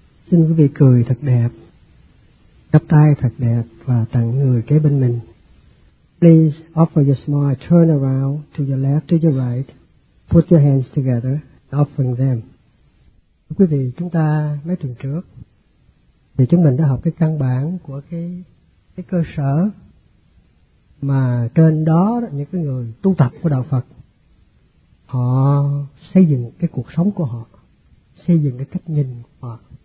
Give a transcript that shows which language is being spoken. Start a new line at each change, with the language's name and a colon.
Vietnamese: xin quý vị cười thật đẹp, chắp tay thật đẹp và tặng người kế bên mình.
English: Please offer your smile, turn around to your left, to your right, put your hands together, offering them.
Vietnamese: Quý vị, chúng ta mấy tuần trước thì chúng mình đã học cái căn bản của cái cơ sở mà trên đó những cái người tu tập của đạo Phật họ xây dựng cái cuộc sống của họ, xây dựng cái cách nhìn của họ.